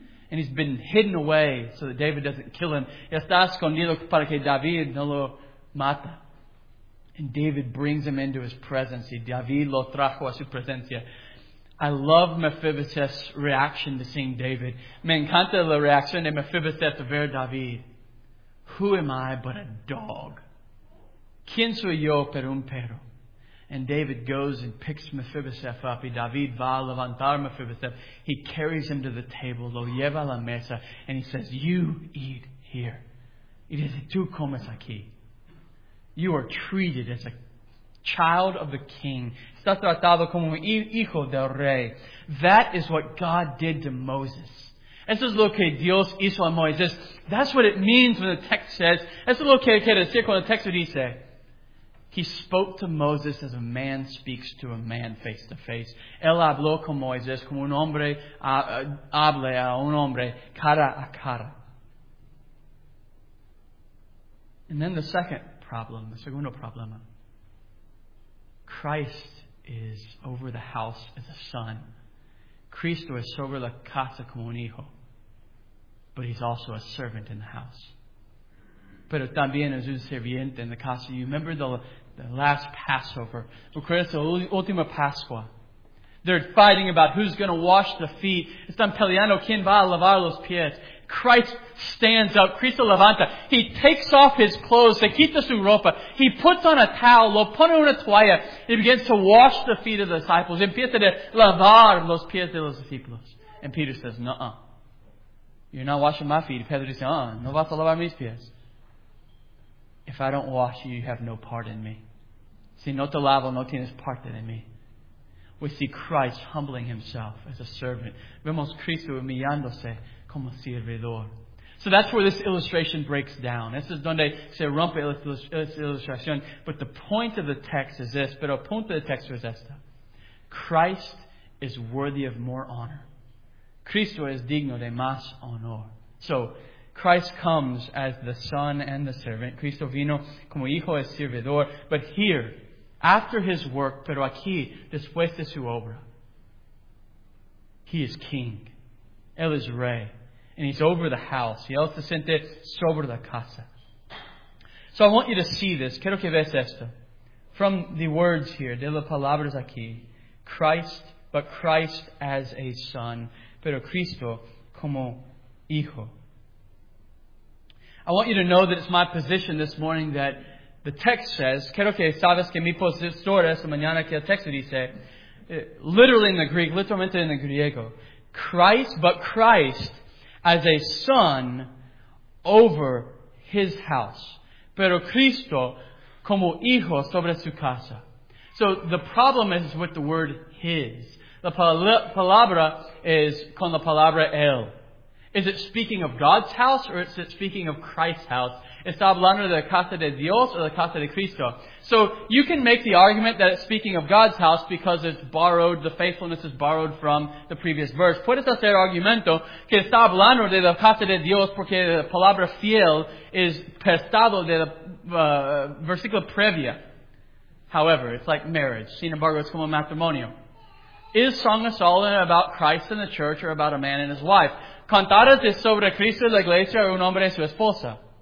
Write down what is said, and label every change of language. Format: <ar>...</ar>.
<en>and he's been hidden away so that David doesn't kill him.</en> <es>Está escondido para que David no lo mata.</es> <en>And David brings him into his presence.</en> <es>David lo trajo a su presencia.</es> <en>I love Mephibosheth's reaction to seeing David.</en> <es>Me encanta la reacción de Mephibosheth a ver David.</es> <en>Who am I but a dog?</en> <es>¿Quién soy yo pero un perro?</es> <en>And David goes and picks Mephibosheth up.</en> <es>Y David va a levantar Mephibosheth.</es> <en>He carries him to the table.</en> <es>Lo lleva a la mesa.</es> <en>And he says, you eat here.</en> <es>Y dice, tú comes aquí.</es> <en>You are treated as a child of the king.</en> <es>Está tratado como un hijo del rey.</es> <en>That is what God did to Moses.</en> <es>Eso es lo que Dios hizo a Moisés.</es> <en>That's what it means when the text says.</en> <es>Eso es lo que quiere decir cuando el texto dice.</es> <en>He spoke to Moses as a man speaks to a man face to face.</en> <es>Él habló con Moisés como un hombre habla a un hombre cara a cara.</es> <en>And then the second problem, the segundo problema. Christ is over the house as a son.</en> <es>Cristo es sobre la casa como un hijo.</es> <en>But he's also a servant in the house.</en> <es>Pero también es un sirviente en la casa.</es> <en>You remember the last Passover.</en> <es>¿Recuerdas la última Pascua?</es> <en>They're fighting about who's going to wash the feet.</en> <es>Están peleando quién va a lavar los pies.</es> <en>Christ stands up.</en> <es>Cristo levanta.</es> <en>He takes off his clothes.</en> <es>Se quita su ropa.</es> <en>He puts on a towel.</en> <es>Lo pone una toalla.</es> <en>He begins to wash the feet of the disciples.</en> <es>Empieza a lavar los pies de los discípulos.</es> <en>And Peter says, nuh-uh. You're not washing my feet.</en> <es>Pedro dice, uh-uh. No vas a lavar mis pies.</es> <en>If I don't wash you, you have no part in me.</en> <es>Si no te lavo, no tienes parte de mí.</es> <en>We see Christ humbling himself as a servant.</en> <es>Vemos Cristo humillándose como servidor.</es> <en>So that's where this illustration breaks down.</en> <es>Es donde se rompe la ilustración.</es> <en>But the point of the text is this.</en> <es>Pero el punto del texto es esta.</es> <en>Christ is worthy of more honor.</en> <es>Cristo es digno de más honor.</es> <en>So Christ comes as the son and the servant.</en> <es>Cristo vino como hijo y servidor.</es> <en>But here, after his work,</en> <es>pero aquí, después de su obra,</es> <en>he is king.</en> <es>Él es rey.</es> <en>And he's over the house.</en> <es>Y él se siente sobre la casa.</es> <en>So I want you to see this.</en> <es>Quiero que veas esto.</es> <en>From the words here,</en> <es>de las palabras aquí,</es> <en>Christ, but Christ as a son,</en> <es>pero Cristo como hijo.</es> <en>I want you to know that it's my position this morning that the text says,</en> <es>quiero que sabes que mi posición esta mañana que el texto dice,</es> <en>literally in the Greek,</en> <es>literalmente en el griego,</es> <en>Christ, but Christ as a son over his house.</en> <es>Pero Cristo como hijo sobre su casa.</es> <en>So the problem is with the word his.</en> <es>The palabra is con la palabra él.</es> <en>Is it speaking of God's house or is it speaking of Christ's house?</en> <es>¿Está hablando de la casa de Dios o la casa de Cristo?</es> <en>So you can make the argument that it's speaking of God's house because it's borrowed, the faithfulness is borrowed from the previous verse.</en> <es>Puedes hacer argumento que está hablando de la casa de Dios porque la palabra fiel es prestado de la versículo previa.</es> <en>However, it's like marriage.</en> <es>Sin embargo, es como matrimonio.</es> <en>Is Song of Solomon about Christ and the church or about a man and his wife?</en> <es>¿Cantares de sobre Cristo y la iglesia o un hombre y su esposa?</es>